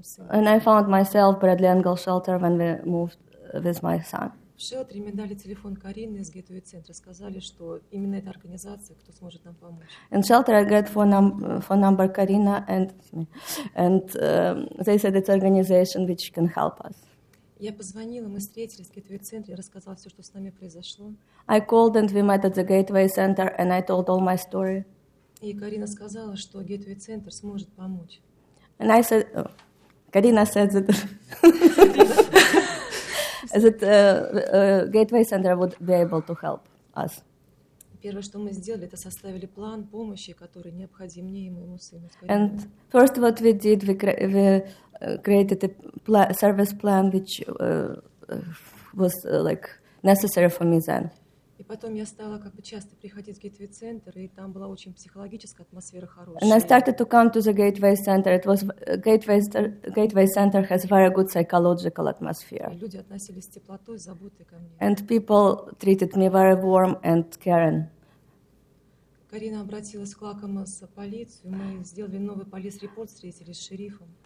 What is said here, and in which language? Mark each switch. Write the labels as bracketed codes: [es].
[en] And I found myself at Bradley Engel shelter when we moved with my son. [ru] В шелтере мне дали телефон Карины из ГТУ центра, сказали, что именно эта организация, кто сможет нам помочь. [en] In shelter I got phone number Karina and they said it's an organization which can help us. [ru] Я позвонила, мы встретились в ГТУ центре, рассказала все, что с нами произошло. [en] I called and we met at the Gateway Center and I told all my story. [ru] И Карина сказала, что ГТУ центр сможет помочь. [en] And I said, Карина said that. That Gateway Center would be able to help us. [ru] Первое, что мы сделали, это составили план помощи, который необходим мне и моему сыну. [en] And first, what we did, we created a service plan, which was like necessary for me then. [ru] И потом я стала как бы часто приходить в Gateway Center, и там была очень психологическая атмосфера хорошая. [en] And I started to come to the Gateway Center. It was Gateway Center has very good psychological atmosphere. [ru] Люди относились с теплотой, заботой ко мне. [en] And people treated me very warm and caring. [ru] Карина обратилась к Лакомас полицию, мы сделали новый [en] police report, [ru] встретились с шерифом.